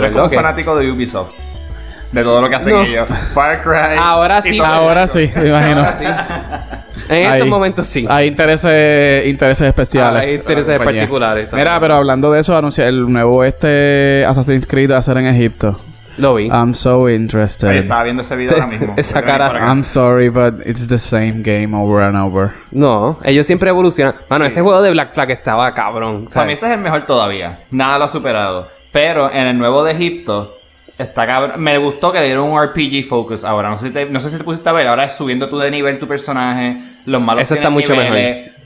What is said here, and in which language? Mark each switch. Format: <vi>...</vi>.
<es>Tú eres como un fanático de Ubisoft. De todo lo que hacen ellos. Far Cry. Ahora sí. Ahora sí, me imagino. Ahora sí. En estos momentos sí. Hay intereses especiales. Hay intereses particulares. Mira, pero hablando de eso, anuncié el nuevo Assassin's Creed va a ser en Egipto. Lo vi.</es> <en>I'm so interested.</en> <es>Oye, estaba viendo ese video ahora mismo. Esa cara.</es> <en>I'm sorry, but it's the same game over and over.</en> <es>No, ellos siempre evolucionan. Bueno, sí. Ese juego de Black Flag estaba cabrón. ¿Sabes? Para mí ese es el mejor todavía. Nada lo ha superado. Pero en el nuevo de Egipto, está cabrón. Me gustó que le dieron un RPG focus ahora. No sé si te pusiste a ver. Ahora es subiendo tú de nivel tu personaje. Los malos eso está mucho niveles, mejor.</es>